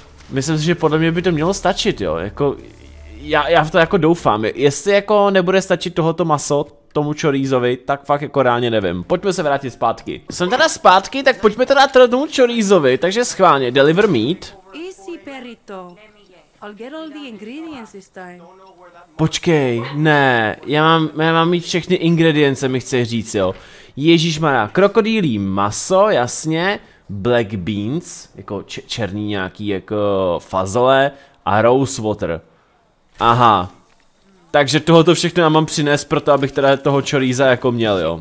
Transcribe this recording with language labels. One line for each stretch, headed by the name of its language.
Czech: Myslím si, že podle mě by to mělo stačit, jo, jako já v to jako doufám, jestli jako nebude stačit tohoto maso tomu chorizovi, tak fakt jako reálně nevím. Pojďme se vrátit zpátky. Jsem teda zpátky, tak pojďme teda tomu chorizovi, takže schválně,
English: deliver meat. Easy perito. I'll get all the ingredients this time.
Czech: Počkej, ne, já mám mít všechny ingredience, mi chce říct, jo. Ježišmarja, krokodýlí maso, jasně,
English: black beans,
Czech: jako černý nějaký, jako fazole, a
English: rose water.
Czech: Aha, takže tohoto všechno já mám přinést proto, abych teda toho choriza jako měl, jo.